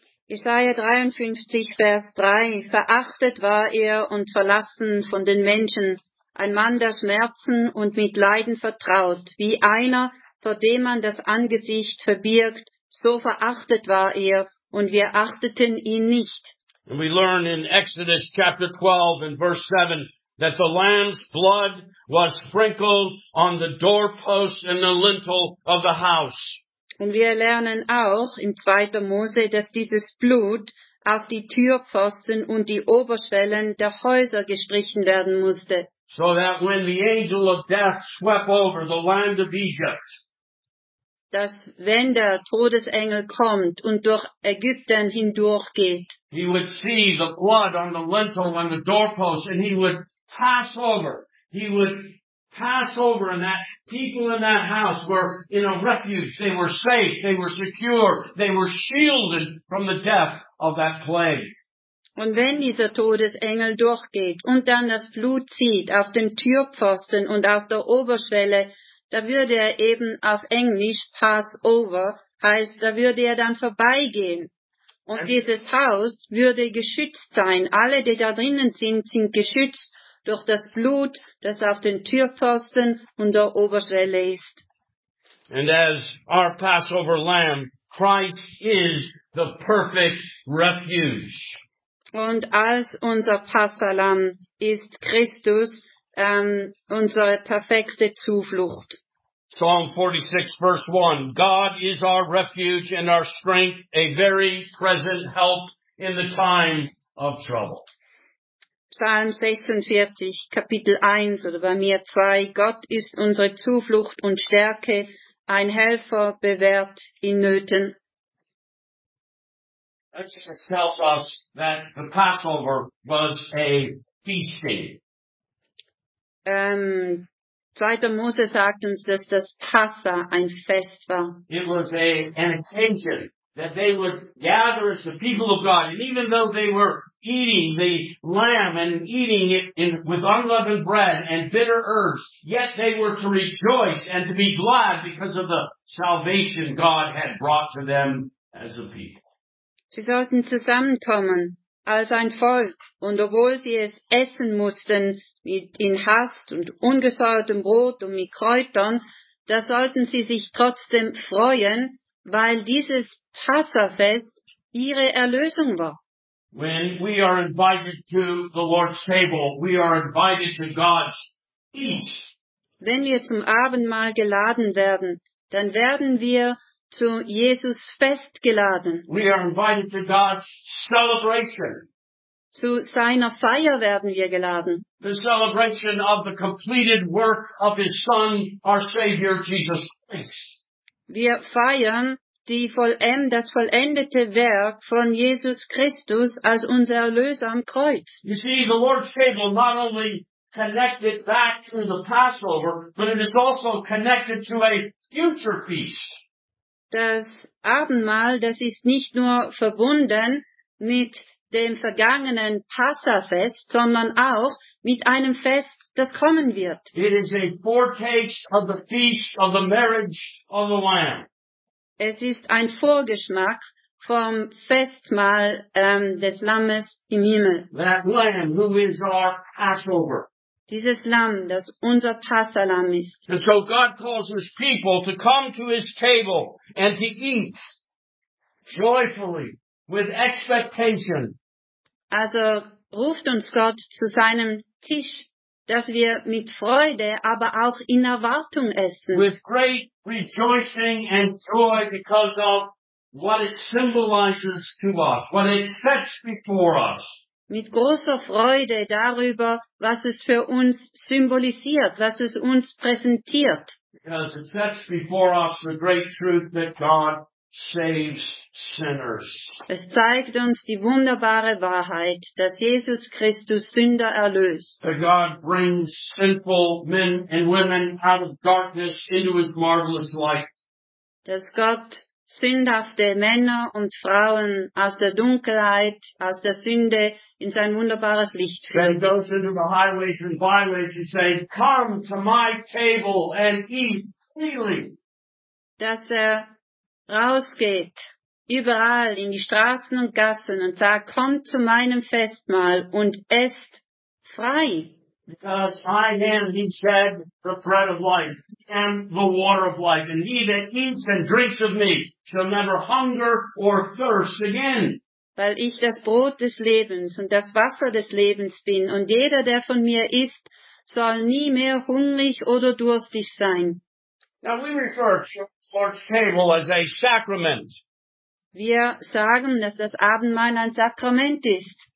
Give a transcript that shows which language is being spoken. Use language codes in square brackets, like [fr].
[de] Isaiah 53, Vers 3. Verachtet war und verlassen von den Menschen, ein Mann der Schmerzen und mit Leiden vertraut, wie einer, vor dem man das Angesicht verbirgt. So verachtet war und wir achteten ihn nicht. [en] And we learn in Exodus chapter 12 and verse 7 that the lamb's blood was sprinkled on the doorposts and the lintel of the house. [de] Und wir lernen auch in 2. Mose, dass dieses Blut auf die Türpfosten und die Oberschwellen der Häuser gestrichen werden musste. [en] So that when the angel of death swept over the land of Egypt, [de] dass wenn der Todesengel kommt und durch Ägypten hindurchgeht, [en] he would see the blood on the lintel and the doorpost and he would pass over. He would pass over and that people in that house were in a refuge. They were safe. They were secure. They were shielded from the death of that plague. [de] Und wenn dieser Todesengel durchgeht und dann das Blut zieht auf den Türpfosten und auf der Oberschwelle, da würde eben auf Englisch [en] pass over, [de] heißt, da würde dann vorbeigehen. Und dieses Haus würde geschützt sein. Alle, die da drinnen sind, sind geschützt durch das Blut, das auf den Türpfosten und der Oberschwelle ist. [en] And as our Passover lamb, Christ is the perfect refuge. [de] Und als unser Passalam ist Christus, unsere perfekte Zuflucht. [en] Psalm 46, verse 1. God is our refuge and our strength, a very present help in the time of trouble. [de] Psalm 46, Kapitel 1, oder bei mir 2. Gott ist unsere Zuflucht und Stärke, ein Helfer bewährt in Nöten. [en] That just tells us that the Passover was a feasting. [de] 2. Mose sagt uns, dass das Passa ein Fest war. [en] It was an occasion that they would gather as the people of God. And even though they were eating the lamb and eating it with unleavened bread and bitter herbs, yet they were to rejoice and to be glad because of the salvation God had brought to them as a people. [de] Sie sollten zusammenkommen als ein Volk, und obwohl sie es essen mussten mit in Hast und ungesäuertem Brot und mit Kräutern, da sollten sie sich trotzdem freuen, weil dieses Passafest ihre Erlösung war. [en] When we are invited to the Lord's table, we are invited to God's feast. [de] Wenn wir zum Abendmahl geladen werden, dann werden wir zu Jesus Fest geladen. [en] We are invited to God's celebration. [de] Zu seiner Feier werden wir geladen. [en] The celebration of the completed work of his son, our Savior Jesus Christ. [de] Wir feiern das vollendete Werk von Jesus Christus als unser Erlöser am Kreuz. [en] You see, the Lord's table not only connected back to the Passover, but it is also connected to a future feast. [de] Das Abendmahl, das ist nicht nur verbunden mit dem vergangenen Passafest, sondern auch mit einem Fest, das kommen wird. [en] It is a foretaste of the feast of the marriage of the Lamb. [de] Es ist ein Vorgeschmack vom Festmahl des Lammes im Himmel. [en] That Lamb who is our Passover. [de] Dieses Lamm, das unser Passalamm ist. [en] And so God calls his people to come to his table and to eat joyfully. With expectation. [de] Also ruft uns Gott zu seinem Tisch, dass wir mit Freude, aber auch in Erwartung essen. [en] With great rejoicing and joy because of what it symbolizes to us, what it sets before us. [de] Mit großer Freude darüber, was es für uns symbolisiert, was es uns präsentiert. [en] Because it sets before us the great truth that God saves sinners. [de] Es zeigt uns die wunderbare Wahrheit, dass Jesus Christus Sünder erlöst. [en] That God brings sinful men and women out of darkness into his marvelous light. [de] Dass Gott sündhafte Männer und Frauen aus der Dunkelheit, aus der Sünde in sein wunderbares Licht führt. [en] Then goes into the highways and byways and says, come to my table and eat freely. [de] Dass er rausgeht, überall in die Straßen und Gassen und sagt, komm zu meinem Festmahl und esst frei. [en] Because I am, he said, the bread of life and the water of life. And he that eats and drinks of me shall never hunger or thirst again. [de] Weil ich das Brot des Lebens und das Wasser des Lebens bin und jeder, der von mir isst, soll nie mehr hungrig oder durstig sein. [en] Now we refer to Lord's table as a sacrament. [de] Wir sagen, dass das Abendmahl ein Sakrament ist.